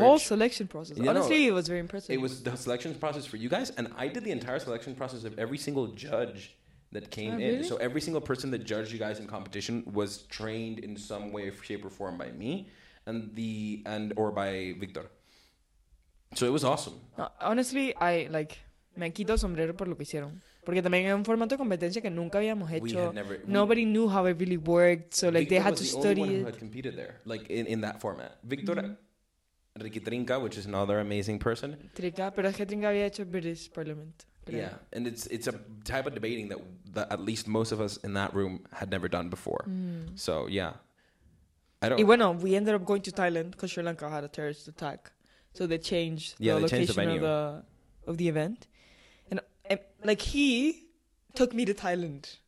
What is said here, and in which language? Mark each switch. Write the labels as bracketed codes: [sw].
[en] a whole selection process. Yeah, honestly, no, it was very impressive. It was the selection process for you guys, and I did the entire selection process of every single judge that came in. Really? So every single person that judged you guys in competition was trained in some way, shape, or form by me and or by Victor. So it was awesome. No, honestly, I, like, [es] me quito el sombrero por lo que hicieron. Porque también era un formato de competencia que nunca habíamos hecho. [en] Nobody knew how it really worked, so, like, Victor they had to study it. Victor was the only one who had competed there, like, in that format. Victor, mm-hmm. Ricky Trinca, which is another amazing person. [es] Trinca, pero es que Trinca había hecho British Parliament. Creo. [en] Yeah, and it's a type of debating that at least most of us in that room had never done before. Mm. So, yeah. I don't. [es] Y bueno, [en] we ended up going to Thailand because Sri Lanka had a terrorist attack. So they changed the location of the event. Like, he took me to Thailand.